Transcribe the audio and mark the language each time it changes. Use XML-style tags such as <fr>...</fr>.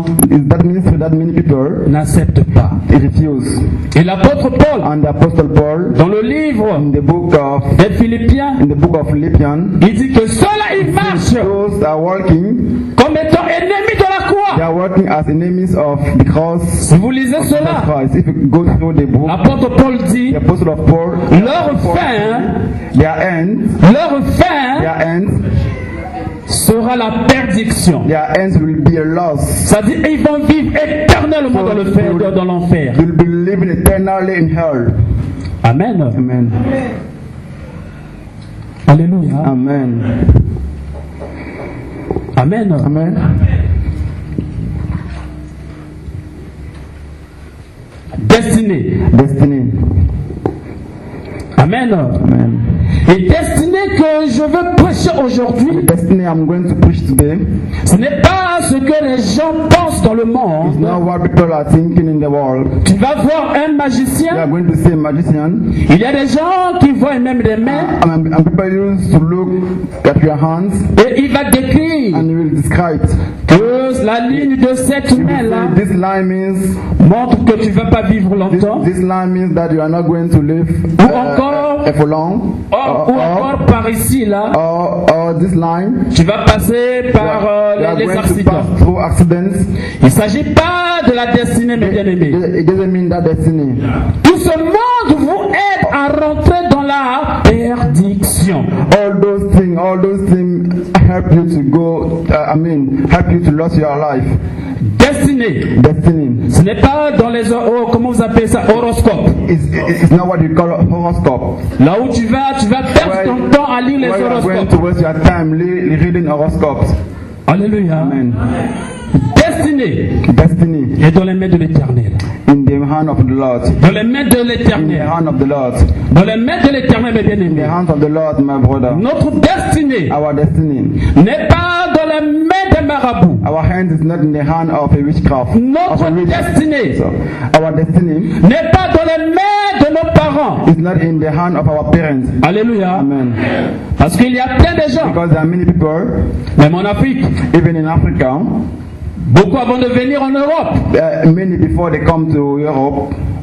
<en>is that ministry that many people</en> <fr>n'acceptent pas.</fr> <en>They refuse.</en> <fr>Et l'apôtre Paul,</fr> <en>and the apostle Paul,</en> <fr>dans le livre</fr> <en>in the book of</en> <fr>des Philippiens,</fr> <en>in the book of Philippians,</en> <fr>il dit que ceux-là ils marchent.</fr> <en>Those are walking.</en> <fr>Comme étant ennemis de la croix.</fr> <en>They are working as enemies of the cross.</en> <fr>Si vous lisez cela,</fr> <en>Christ, if you go through the book,</en> <fr>l'apôtre Paul dit,</fr> <en>the apostle of Paul,</en> <fr>leur fin,</fr> <en>their end,</en> <fr>leur fin,</fr> <en>their end,</en> <fr>sera la perdition.</fr> <en>Their ends will be a loss.</en> <fr>Ça dit, ils vont vivre éternellement so dans le fer, dans l'enfer.</fr> <en>Will be living eternally in hell.</en> <fr>Amen.</fr> <en>Amen.</en> <fr>Alléluia.</fr> <en>Amen.</en> <fr>Amen.</fr> <en>Amen.</en> <fr>Destinée. Destinée.</fr> <en>Amen. Amen.</en> <fr>Et destinée que je veux prêcher aujourd'hui,</fr> <en>the destinée I'm going to preach today,</en> <fr>ce n'est pas ce que les gens pensent dans le monde.</fr> <en>It's not what people are thinking in the world.</en> <fr>Tu vas voir un magicien.</fr> <en>You are going to see a magician.</en> <fr>Il y a des gens qui voient même des mains.</fr> <en>And people used to look at your hands.</en> <fr>Et il va décrire.</fr> <en>And he will describe it.</en> <fr>Que la ligne de cette main là,</fr> <en>this line means,</en> <fr>montre que tu ne vas pas vivre longtemps.</fr> <en>This line means that you are not going to live.</en> <fr>Ou encore,</fr> <en>for long.</en> <fr>Ou encore par ici là.</fr> <en>This line,</en> <fr>tu vas passer par les accidents. Il ne s'agit pas de la destinée, mes bien-aimés.</fr> <en>It doesn't mean that destiny.</en> <fr>Tout ce monde vous aide à rentrer dans la perdition.</fr> <en>All those things help you to go. Help you to lose your life. Destiny.</en> <fr>Ce n'est pas dans les comment vous appelez ça, horoscope.</fr> <en>It's not what you call horoscope.</en> <fr>Là où tu vas perdre ton temps à lire les horoscopes.</fr> <en>Where you are going to waste your time reading horoscopes.</en> <fr>Alléluia.</fr> <en>Amen. Destiny.</en> <fr>Et dans les mains de l'Éternel.</fr> <en>In the hand of the Lord.</en> <fr>Dans les mains de l'Éternel.</fr> <en>In the hand of the Lord.</en> <fr>Dans les mains de l'Éternel, mes bien-aimés.</fr> <en>In the hand of the Lord, my brother.</en> <fr>Notre destinée.</fr> <en>Our destiny.</en> <fr>N'est pas dans les mains des marabouts.</fr> <en>Our hand is not in the hand of a witchcraft.</en> <fr>Notre destinée.</fr> <en>So, our destiny.</en> <fr>N'est pas dans les mains de nos parents.</fr> <en>It's not in the hand of our parents.</en> <fr>Alléluia.</fr> <en>Amen.</en> <fr>Parce qu'il y a plein de gens.</fr> <en>Because there are many people.</en> <fr>Même en Afrique.</fr> <en>Even in Africa.</en> <fr>Beaucoup avant de venir en Europe.</fr> <en>Many before they come to Europe.</en>